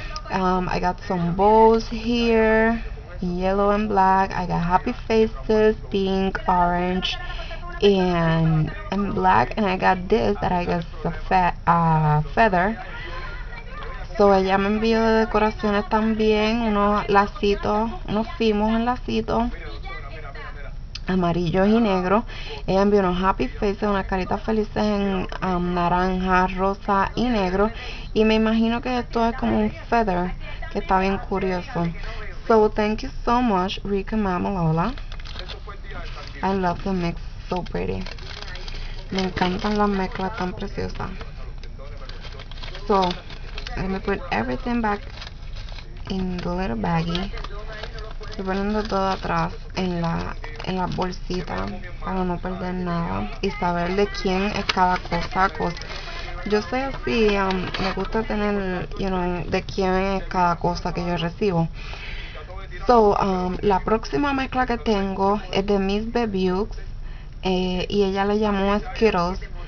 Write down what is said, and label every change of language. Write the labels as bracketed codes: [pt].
[en] I got some bows here, yellow and black. I got happy faces, pink, orange, and black. And I got this that I guess is a feather. [es] So ella me envió de decoraciones también unos lacitos, unos fimos en lacitos amarillos y negros. Ella envió unos happy faces, unas caritas felices en naranja, rosa y negro. Y me imagino que esto es como un feather, que está bien curioso. [en] So thank you so much, Rica Mama Lola. I love the mix, so pretty. [es] Me encantan las mezclas tan preciosas. [en] So, let me put everything back in the little baggie. [es] Estoy poniendo todo atrás en la bolsita para no perder nada y saber de quién es cada cosa. Yo soy así, me gusta tener, de quién es cada cosa que yo recibo. La próxima mezcla que tengo es de Miss Bebux, y ella le llamó Skittles.